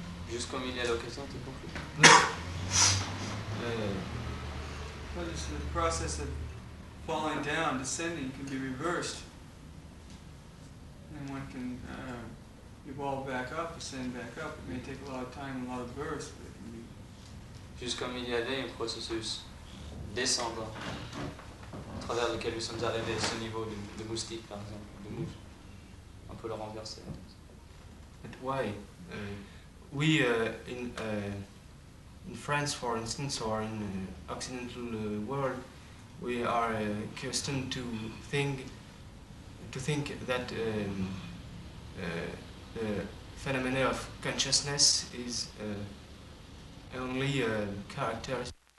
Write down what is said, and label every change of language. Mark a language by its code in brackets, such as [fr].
[fr] Juste comme il y a l'occasion, tu comprends? [en] Well, just the process of falling down, descending, can be reversed. And one can evolve back up, ascend back up. It may take a lot of time, a lot of verse, but it can be... [fr] Juste comme il y a un processus descendant, à travers lequel nous sommes arrivés à ce niveau de moustique, par exemple, de mouche. On peut le renverser. [en] But why? We in France, for instance, or in occidental world, we are accustomed to think that the phenomena of consciousness is only a characteristic.